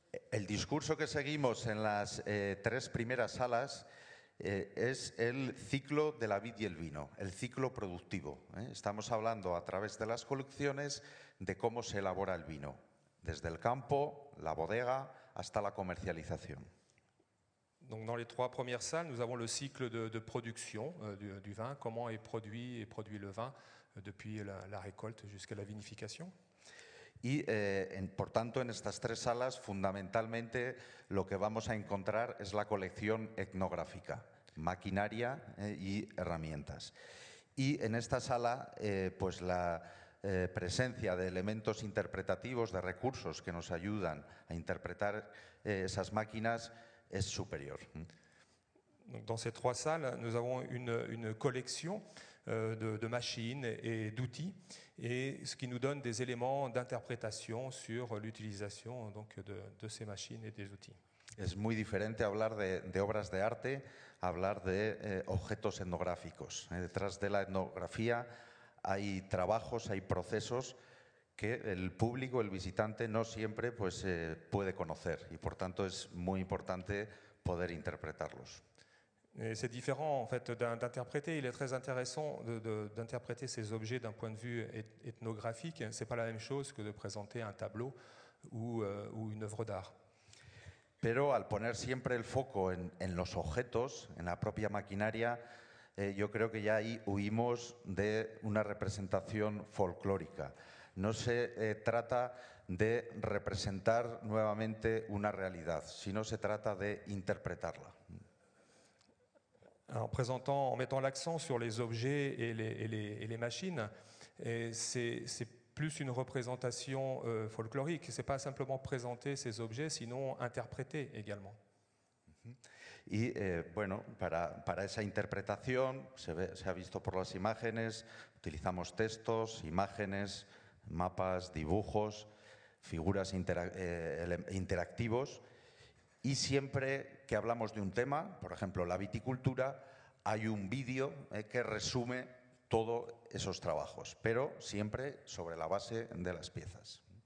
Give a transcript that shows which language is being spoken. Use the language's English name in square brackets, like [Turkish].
[Spanish] El discurso que seguimos en las 3 primeras salas es el ciclo de la vid y el vino, el ciclo productivo. Estamos hablando a través de las colecciones de cómo se elabora el vino, desde el campo, la bodega, hasta la comercialización. [French] Donc dans les 3 premières salles, nous avons le cycle de production du vin, comment est produit le vin depuis la récolte jusqu'à la vinification. [Spanish] Y por tanto en estas 3 salas fundamentalmente lo que vamos a encontrar es la colección etnográfica, maquinaria y herramientas. Y en esta sala pues la presencia de elementos interpretativos, de recursos que nos ayudan a interpretar esas máquinas es superior. [French] Dans ces trois salles, nous avons une collection de machines et d'outils, et ce qui nous donne des éléments d'interprétation sur l'utilisation donc de ces machines et des outils. [Spanish] Es muy diferente hablar de obras de arte a hablar de objetos etnográficos. Detrás de la etnografía hay trabajos, hay procesos que el público, el visitante, no siempre puede conocer, y por tanto es muy importante poder interpretarlos. [French] Et c'est différent en fait d'interpréter. Il est très intéressant d'interpréter ces objets d'un point de vue ethnographique. C'est pas la même chose que de présenter un tableau ou une œuvre d'art. [Spanish] Pero al poner siempre el foco en los objetos, en la propia maquinaria, yo creo que ya ahí huimos de una representación folclórica. No se trata de representar nuevamente una realidad, sino se trata de interpretarla. [French] En mettant l'accent sur les objets et les machines, et c'est plus une représentation folklorique. C'est pas simplement présenter ces objets, sinon interpréter également. [Spanish] Et bueno, para esa interpretación se ha visto por las imágenes. Utilizamos textos, imágenes, mapas, dibujos, figuras interactivos. Y siempre que hablamos de un tema, por ejemplo, la viticultura, hay un vídeo que resume todos esos trabajos, pero siempre sobre la base de las piezas.